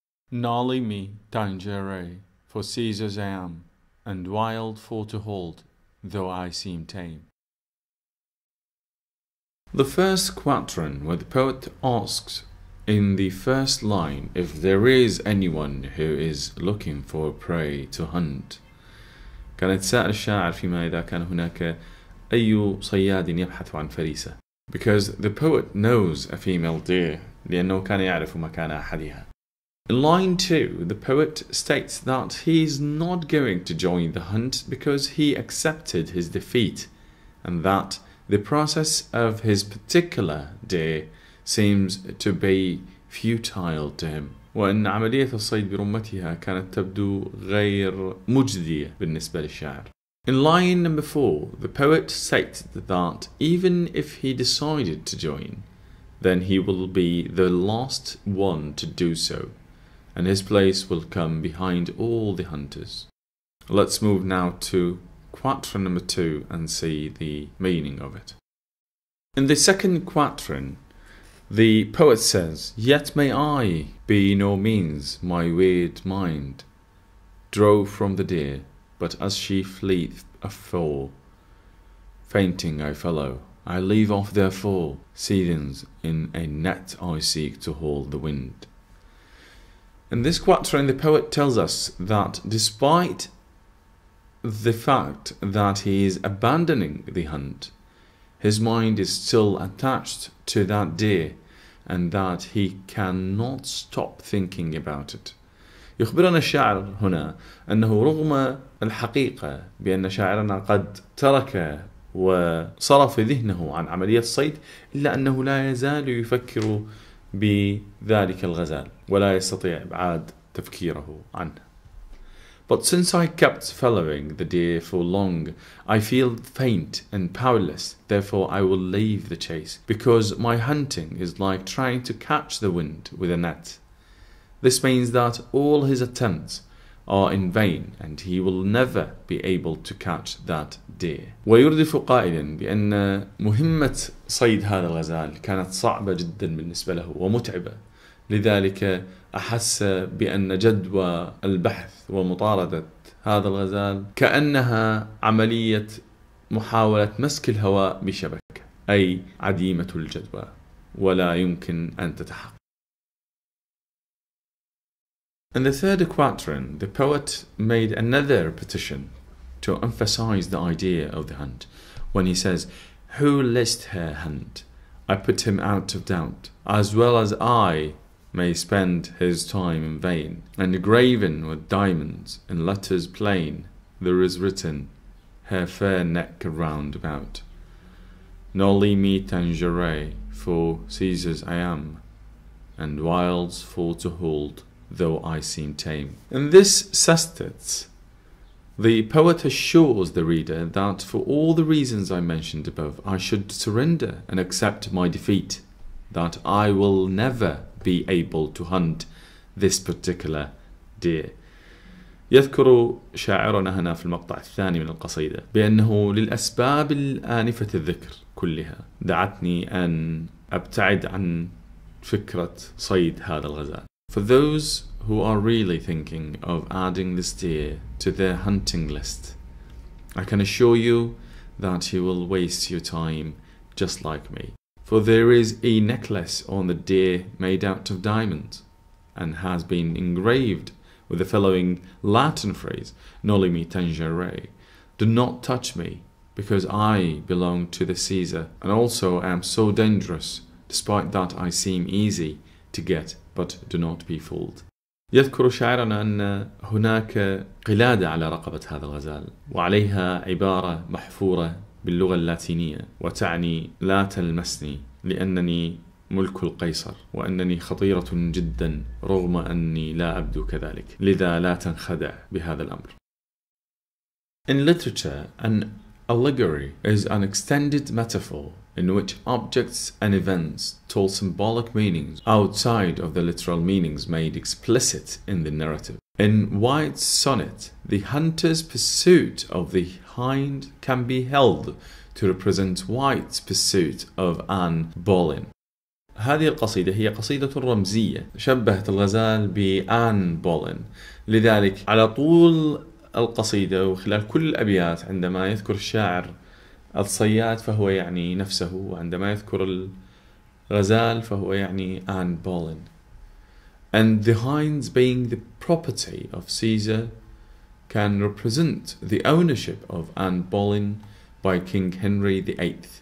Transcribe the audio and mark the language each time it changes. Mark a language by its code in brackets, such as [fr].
[la] Nolly me, tangere, [en] for Caesar's I am, and wild for to hold, though I seem tame. The first quatrain, where the poet asks in the first line if there is anyone who is looking for prey to hunt. [ar] كان يتساءل الشاعر فيما إذا كان هناك أي صياد يبحث عن فريسة. [en] Because the poet knows a female deer. [ar] لأنه كان يعرف مكان أحدها. [en] In line 2, the poet states that he is not going to join the hunt because he accepted his defeat and that the process of his particular deer seems to be futile to him. [ar] وأن عملية الصيد برمتها كانت تبدو غير مجدية بالنسبة للشاعر. [en] In line number 4, the poet states that even if he decided to join, then he will be the last one to do so, and his place will come behind all the hunters. Let's move now to quatrain number 2 and see the meaning of it. In the second quatrain, the poet says, "Yet may I be no means, my weird mind drove from the deer, but as she fleeth afore, fainting I follow. I leave off therefore, seethings in a net I seek to haul the wind." In this quatrain, the poet tells us that despite the fact that he is abandoning the hunt, his mind is still attached to that deer and that he cannot stop thinking about it. [ar] يخبرنا الشاعر هنا أنه رغم الحقيقة بأن شاعرنا قد ترك وصرف ذهنه عن عملية الصيد إلا أنه لا يزال يفكر بذلك الغزال ولا يستطيع إبعاد تفكيره عنه. [en] But since I kept following the deer for long, I feel faint and powerless. Therefore, I will leave the chase, because my hunting is like trying to catch the wind with a net. This means that all his attempts are in vain, and he will never be able to catch that deer. [ar] ويردف قائلا بأن مهمة صيد هذا الغزال كانت صعبة جدا بالنسبة له ومتعبة. لذلك أحس بأن جدوى البحث ومطاردة هذا الغزال كأنها عملية محاولة مسك الهواء بشبكة أي عديمة الجدوى ولا يمكن أن تتحقق. [en] In the third quatrain, the poet made another repetition to emphasize the idea of the hunt when he says, "Who list her hunt? I put him out of doubt, as well as I may spend his time in vain, and graven with diamonds in letters plain, there is written her fair neck round about. [la] Noli me tangere, [en] for Caesar's I am, and wilds for to hold, though I seem tame." In this sestet, the poet assures the reader that for all the reasons I mentioned above, I should surrender and accept my defeat, that I will never be able to hunt this particular deer. [ar] يذكر شاعرنا هنا في المقطع الثاني من القصيدة بأنه للأسباب الآنفة الذكر كلها دعتني أن أبتعد عن فكرة صيد هذا الغزال. [en] For those who are really thinking of adding this deer to their hunting list, I can assure you that you will waste your time just like me. For there is a necklace on the deer made out of diamonds and has been engraved with the following Latin phrase, [la] "Noli me tangere," [en] do not touch me, because I belong to the Caesar and also am so dangerous, despite that I seem easy to get, but do not be fooled. [ar] يذكر شاعرنا أن هناك قلادة على رقبة هذا الغزال وعليها عبارة محفورة باللغة اللاتينية وتعني لا تلمسني لأنني ملك القيصر وأنني خطيرة جدا رغم أني لا أبدو كذلك لذا لا تنخدع بهذا الأمر. [en] In literature, an allegory is an extended metaphor in which objects and events tell symbolic meanings outside of the literal meanings made explicit in the narrative. In Wyatt's sonnet, the hunter's pursuit of the hind can be held to represent Wyatt's pursuit of Anne Boleyn. [ar] هذه القصيدة هي قصيدة رمزية شبهت الغزال بآن بولين. لذلك على طول القصيدة وخلال كل الأبيات عندما يذكر الشاعر الصياد فهو يعني نفسه وعندما يذكر الغزال فهو يعني آن بولين. [en] And the hinds being the property of Caesar can represent the ownership of Anne Boleyn by King Henry VIII.